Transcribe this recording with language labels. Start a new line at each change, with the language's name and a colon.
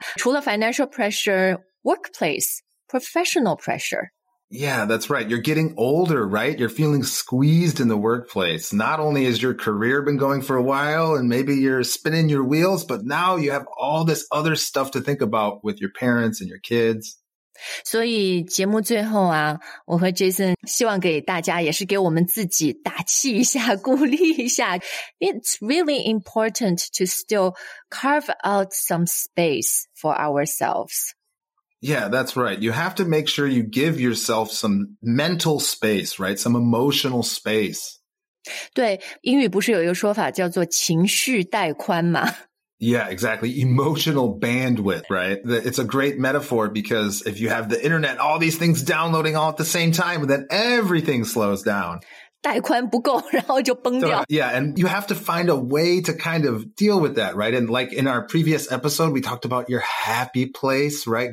Chinese: 除了
English: financial pressure, workplace, professional pressure. Yeah, that's right. You're getting older, right? You're feeling squeezed in the workplace. Not only has your career been going for a while and maybe you're spinning your wheels, but now you have all this other stuff to think about with your parents and your kids.
Chinese: 所以节目最后啊，我和 Jason 希望给大家也是给我们自己打气一下，鼓励一下。
English: It's really important to still carve out some space for ourselves. Yeah, that's right. You have to make sure you give yourself some mental space, right? Some emotional space.
Chinese: 对，英语不是有一个说法叫做情绪带宽吗？
English: Yeah, exactly. Emotional bandwidth, right? It's a great metaphor because if you have the internet, all these things downloading all at the same time, then everything slows down.
Chinese: 带宽不够然后就崩掉
English: Yeah, and you have to find a way to kind of deal with that, right? And like in our previous episode, we talked about your happy place, right?